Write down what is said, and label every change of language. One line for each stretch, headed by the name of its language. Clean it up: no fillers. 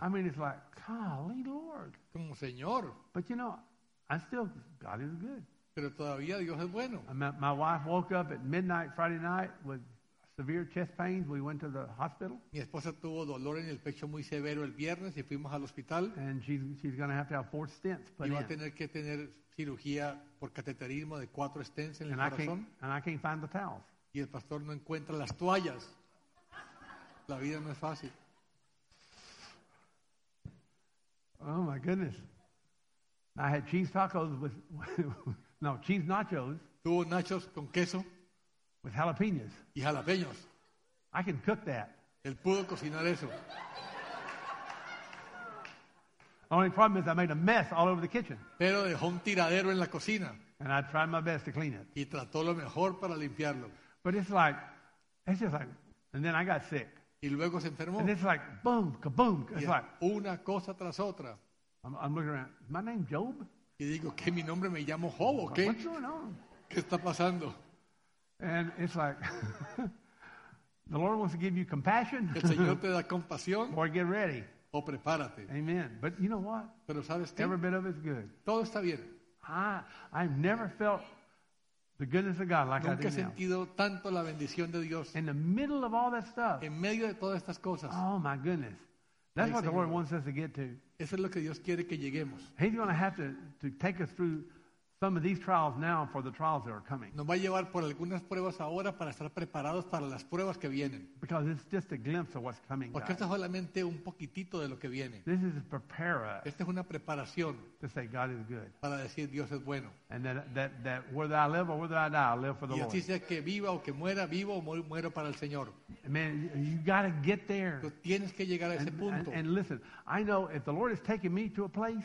English: I mean, it's like, golly Lord.
Spanish: Como Señor.
English: But I still, God is good.
Spanish: Pero todavía Dios es bueno.
English: My wife woke up at midnight Friday night with severe chest pains. We went to the hospital.
Spanish: Mi esposa tuvo dolor en el pecho muy severo el viernes y fuimos al hospital.
English: And she's going to have 4 stents put in.
Spanish: Y va a tener que tener cirugía por cateterismo de 4 stents en el corazón.
English: And I can't find the towels.
Spanish: Y el pastor no encuentra las toallas. La vida no es fácil.
English: Oh my goodness. I had cheese tacos with no, cheese nachos.
Spanish: Tuvo nachos con queso.
English: With jalapenos.
Spanish: Y jalapeños.
English: I can cook that.
Spanish: Él pudo cocinar eso.
English: Only problem is I made a mess all over the kitchen.
Spanish: Pero dejó un tiradero en la cocina.
English: And I tried my best to clean it.
Spanish: Y trató lo mejor para limpiarlo.
English: But it's just like, and then I got sick.
Spanish: Y luego se enfermó.
English: And it's like, boom, kaboom. It's like,
Spanish: una cosa tras otra.
English: I'm looking around, is my name Job?
Spanish: Y digo, ¿qué mi nombre me llamo Job, o qué?
English: What's going on?
Spanish: ¿Qué está pasando?
English: And it's like, the Lord wants to give you compassion.
Spanish: El Señor te da compasión.
English: Or get ready.
Spanish: O prepárate.
English: Amen. But you know what?
Spanish: Pero sabes qué?
English: Every bit of it is good.
Spanish: Todo está bien.
English: I've never felt The goodness of God, like
Spanish: nunca
English: I do
Spanish: now. Tanto la bendición de Dios.
English: In the middle of all that stuff.
Spanish: En medio de todas estas cosas.
English: Oh my goodness. That's what the Lord wants us to get to.
Spanish: Eso es lo que Dios quiere que lleguemos.
English: He's going to have to take us through some of these trials now for the trials that are coming.
Spanish: Nos va a llevar por algunas pruebas ahora para estar preparados para las pruebas que vienen.
English: Because it's just a glimpse of what's coming.
Spanish: Porque esto es solamente un poquitito de lo que viene.
English: This is to prepare us.
Spanish: Esta es una preparación.
English: To say God is good.
Spanish: Para decir Dios es bueno.
English: And that whether I live or whether I die, I live for the Lord.
Spanish: Y así sea que viva o que muera, vivo o muero para el Señor.
English: Man, you got to get there.
Spanish: Tú tienes que llegar a ese punto.
English: And listen, I know if the Lord is taking me to a place.